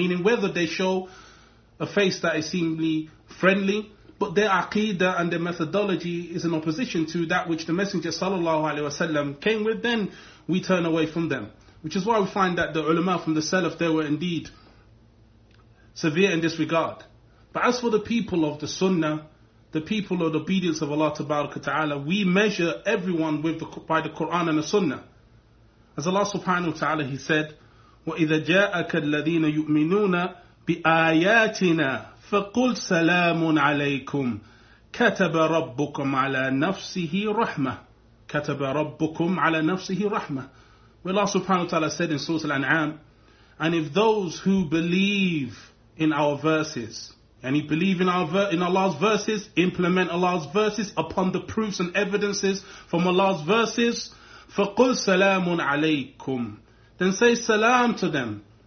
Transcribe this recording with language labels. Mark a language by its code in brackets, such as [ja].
[en] Meaning whether they show a face that is seemingly friendly, but their aqidah and their methodology is in opposition to that which the Messenger sallallahu alaihi wasallam came with, then we turn away from them. Which is why we find that the ulama from the Salaf, they were indeed severe in this regard. But as for the people of the Sunnah, the people of the obedience of Allah tabaraka ta'ala, we measure everyone with by the Quran and the Sunnah. As Allah subhanahu wa ta'ala, He said, [ar] وَإِذَا جَاءَكَ الَّذِينَ يُؤْمِنُونَ بِآيَاتِنَا فَقُلْ سَلَامٌ عَلَيْكُمْ كَتَبَ رَبُّكُمْ عَلَى نَفْسِهِ رَحْمَةٌ كَتَبَ رَبُّكُمْ عَلَى نَفْسِهِ رَحْمَةٌ. [en] Where Allah subhanahu wa ta'ala said in Surah Al-An'am, and if those who believe in our verses, and you believe in Allah's verses, implement Allah's verses upon the proofs and evidences from Allah's verses, [ar] فَقُلْ سَلَامٌ عَلَيْكُمْ, [en] then say salam to them.